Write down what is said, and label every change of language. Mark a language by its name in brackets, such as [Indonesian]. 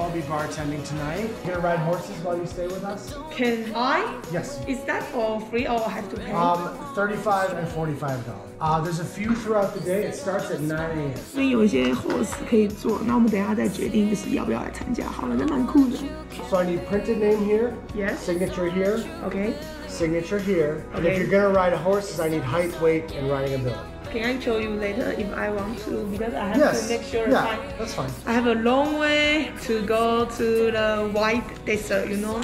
[English] I'll be bartending tonight. Can I ride horses while you stay with us? Can I? Yes. Is that for free or I have to pay? $35 and $45. There's a few throughout the day. It starts at 9 a.m. [Chinese] 所以有一些 horse 可以坐，那我们等一下再决定就是要不要来参加。好了，那蛮酷的。 [English] So I need printed name here. Yes. Signature here. Okay. Signature here. And okay. If you're gonna ride horses, I need height, weight, and riding ability. Can I show you later if I want to? Because I have yes. to make sure. Yeah, that's fine. I have a long way to go to the white desert, you know?